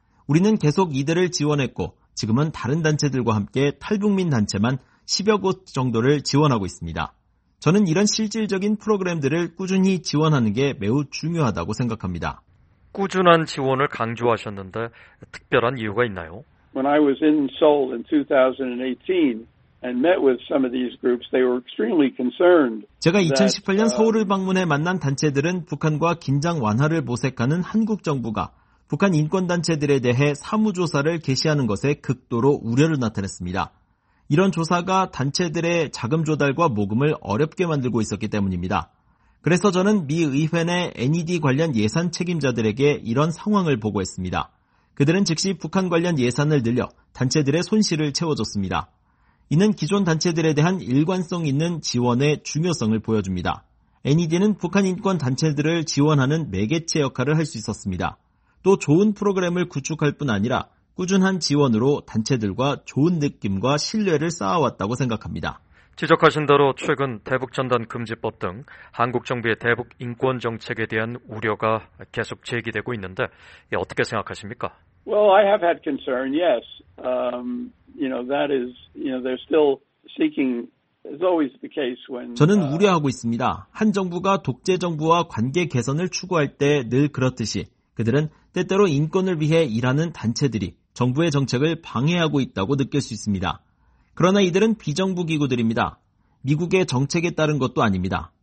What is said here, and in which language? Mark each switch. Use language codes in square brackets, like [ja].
[ko] 우리는 계속 이들을 지원했고 지금은 다른 단체들과 함께 탈북민 단체만 10여 곳 정도를 지원하고 있습니다. 저는 이런 실질적인 프로그램들을 꾸준히 지원하는 게 매우 중요하다고 생각합니다. 꾸준한 지원을 강조하셨는데 특별한 이유가 있나요? [en] When I was in Seoul in 2018, and met with some of these groups, they were extremely concerned. [ko] 제가 2018년 서울을 방문해 만난 단체들은 북한과 긴장 완화를 모색하는 한국 정부가 북한 인권 단체들에 대해 사무 조사를 개시하는 것에 극도로 우려를 나타냈습니다. 이런 조사가 단체들의 자금 조달과 모금을 어렵게 만들고 있었기 때문입니다. 그래서 저는 미 의회 내 NED 관련 예산 책임자들에게 이런 상황을 보고했습니다. 그들은 즉시 북한 관련 예산을 늘려 단체들의 손실을 채워줬습니다. 이는 기존 단체들에 대한 일관성 있는 지원의 중요성을 보여줍니다. NED는 북한 인권 단체들을 지원하는 매개체 역할을 할 수 있었습니다. 또 좋은 프로그램을 구축할 뿐 아니라 꾸준한 지원으로 단체들과 좋은 느낌과 신뢰를 쌓아왔다고 생각합니다. 지적하신 대로 최근 대북전단금지법 등 한국 정부의 대북 인권 정책에 대한 우려가 계속 제기되고 있는데 어떻게 생각하십니까? [en] Well, I have had concern, yes. That is, they're still seeking, it's always the case when. [ko] 저는 우려하고 있습니다. 한 정부가 독재 정부와 관계 개선을 추구할 때 늘 그렇듯이 그들은 때때로 인권을 위해 일하는 단체들이 정부의 정책을 방해하고 있다고 느낄 수 있습니다. 그러나 이들은 비정부 기구들입니다. 미국의 정책에 따른 것도 아닙니다.